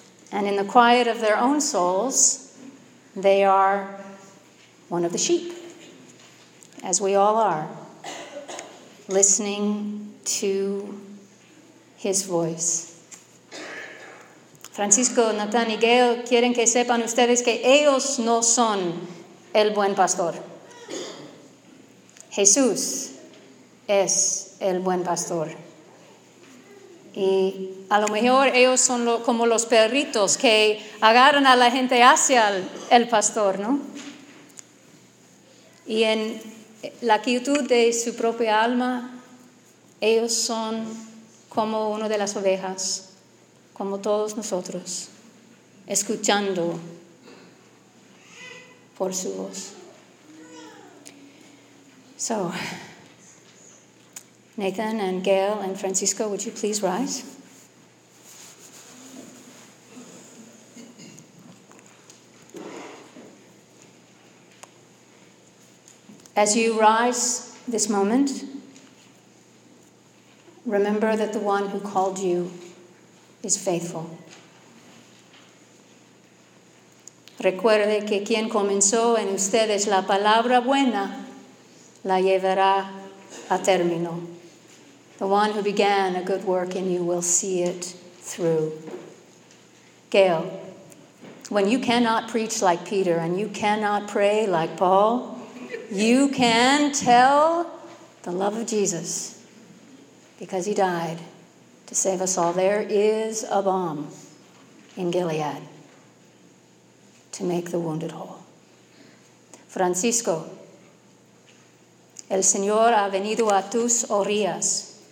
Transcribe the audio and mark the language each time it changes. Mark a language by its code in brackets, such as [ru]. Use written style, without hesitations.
[en] And in the quiet of their own souls, they are one of the sheep, as we all are, listening to his voice. [es] Francisco, Nathan y Gail quieren que sepan ustedes que ellos no son el buen pastor. Jesús es el buen pastor. Y a lo mejor ellos son como los perritos que agarran a la gente hacia el pastor, ¿no? Y en la quietud de su propia alma, ellos son como uno de las ovejas, como todos nosotros, escuchando por su voz. [en] So, Nathan and Gail and Francisco, would you please rise? As you rise this moment, remember that the one who called you is faithful. [es] Recuerde que quien comenzó en ustedes la palabra buena la llevará a término. [en] The one who began a good work in you will see it through. Gail, when you cannot preach like Peter and you cannot pray like Paul, you can tell the love of Jesus because he died to save us all. There is a balm in Gilead to make the wounded whole. [es] Francisco, el Señor ha venido a tus orillas.